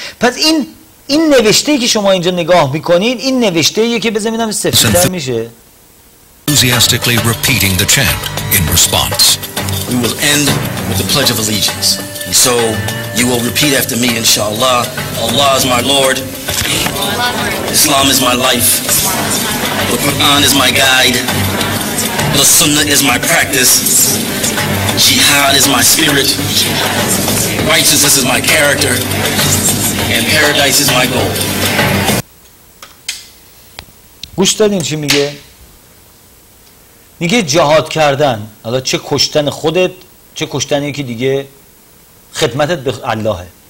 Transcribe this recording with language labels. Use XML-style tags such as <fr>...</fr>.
<fa>پس این نوشته‌ای که شما اینجا نگاه میکنین، این نوشته‌ایه که بزنیدم سفیدتر میشه.</fa> <en>Enthusiastically repeating the chant in response. We will end with the Pledge of Allegiance. And so you will repeat after me, inshallah. Allah is my Lord. Islam is my life. The Quran is my guide. The Sunnah is my practice. Jihad is my spirit. Righteousness is my character. And paradise is my goal.</en> <fa>گوش دادین چی میگه؟ میگه جهاد کردن، حالا چه کشتن خودت چه کشتن یکی دیگه، خدمتت به اللهه.</fa>